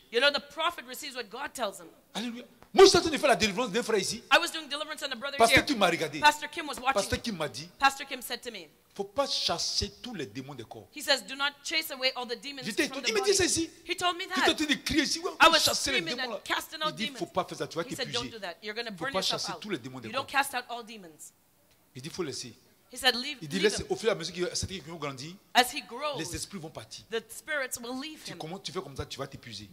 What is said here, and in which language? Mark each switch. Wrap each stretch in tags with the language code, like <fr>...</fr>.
<en>You know, the prophet receives what God tells him. Alléluia.</en> <fr>Moi, je suis en train de faire la délivrance d'un frère ici.</fr> <en>I was doing deliverance on a brother</en> <fr>parce</fr> <en>here.</en> <fr>Que tu m'as regardé.</fr> <en>Pastor Kim was watching.</en> <fr>Pasteur Kim m'a dit.</fr> <en>Pastor Kim said to me.</en> <fr>Faut pas chasser tous les démons des corps.</fr> <en>He says, do not chase away all the demons from the body.</en> <fr>Il m'a dit ça ici.</fr> <en>He told me that.</en> <fr>Il était en train de crier ici.</fr> <en>I was screaming and casting out demons.</en> <fr>Il dit, faut pas faire ça. Tu vas</fr> <en>he said, don't do that. You're going to burn</en> <fr>faut pas chasser tous les démons des corps.</fr> <en>You don't cast out all demons.</en> <fr>Il dit, faut laisser.</fr> <en>He said, leave,</en> <fr>il dit, laisse, au fur et à mesure que cette vie grandit,</fr> <en>as he grows,</en> <fr>les esprits vont partir.</fr> <en>The spirits will leave</en> <fr>tu, comment, tu fais comme ça, tu vas t'épuiser.</fr>